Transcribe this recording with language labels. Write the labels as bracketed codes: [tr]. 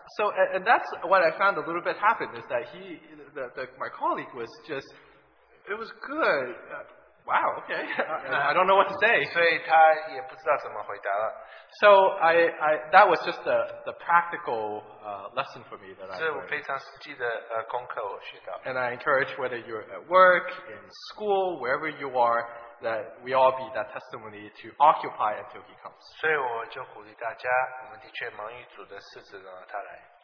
[en] So and that's what I found a little bit happened, is that my colleague was just, it was good. Wow, okay. I don't know what to say. [zh] 所以他也不知道怎么回答了。So [en] I that was just the practical lesson for me that I learned. [zh] 是非常实际的功课我学到。 [en] And I encourage whether you're at work, in school, wherever you are, that we all be that testimony to occupy until he comes. [zh] 所以我就鼓励大家，我们的确忙于主的事，直到他来。